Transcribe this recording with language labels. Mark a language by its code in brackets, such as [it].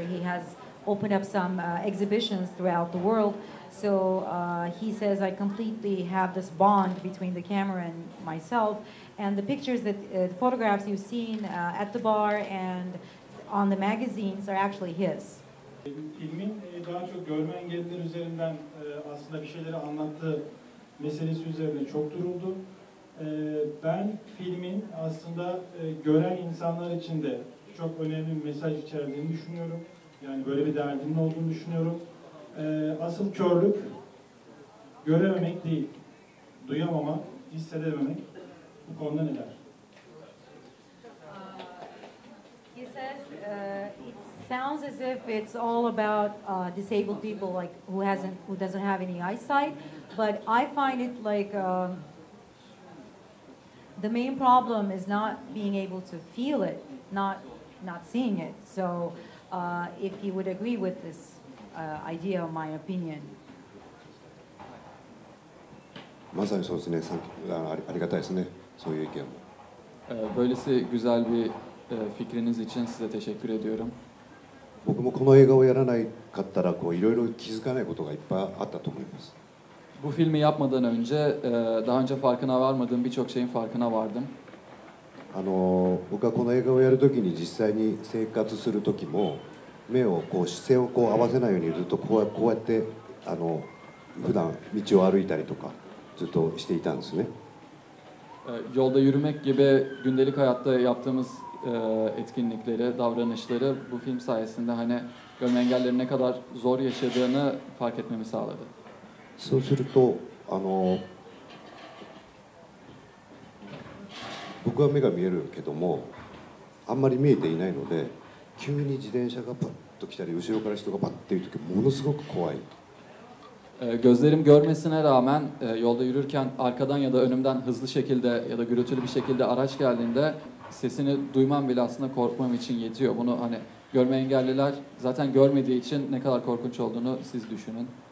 [en] He has opened up some exhibitions throughout the world. So he says, I completely have this bond between the camera and myself. And the pictures that the photographs you've seen at the bar and on the magazines are actually his. [tr] Filmin daha çok görme engelliler üzerinden aslında bir şeyleri anlattığı meselesi üzerine çok duruldu. Ben filmin aslında gören insanlar için de çok önemli bir mesaj içerdiğini düşünüyorum. Yani böyle bir derdinin olduğunu düşünüyorum. Asıl körlük görememek değil, duyamamak, hissedememek. [en] He says it sounds as if it's all about disabled people, like who doesn't have any eyesight. But I find it like the main problem is not being able to feel it, not seeing it. So if you would agree with this idea, my opinion. [ja] まさにそうですね。ありがたいですね。そういう意見も。 [tr] böylesi güzel bir fikriniz için size teşekkür ediyorum. [ja] 僕もこの映画をやらないかったらこういろいろ気づかないことがいっぱいあったと思います。 [tr] Bu filmi yapmadan önce daha önce farkına varmadığım birçok şeyin farkına vardım. [ja] 僕はこの映画をやるときに実際に生活するときも目をこう視線をこう合わせないようにずっとこうやって普段道を歩いたりとかずっとしていたんですね。 [tr] Yolda yürümek gibi gündelik hayatta yaptığımız etkinlikleri, davranışları bu film sayesinde hani görme engellerin ne kadar zor yaşadığını fark etmemi sağladı. [ja] そうすると、僕は目が見えるけども、あんまり見えていないので、急に自転車がパッと来たり、後ろから人がパッという時、ものすごく怖い。 [tr] Gözlerim görmesine rağmen yolda yürürken arkadan ya da önümden hızlı şekilde ya da gürültülü bir şekilde araç geldiğinde sesini duymam bile aslında korkmam için yetiyor. Bunu hani görme engelliler zaten görmediği için ne kadar korkunç olduğunu siz düşünün.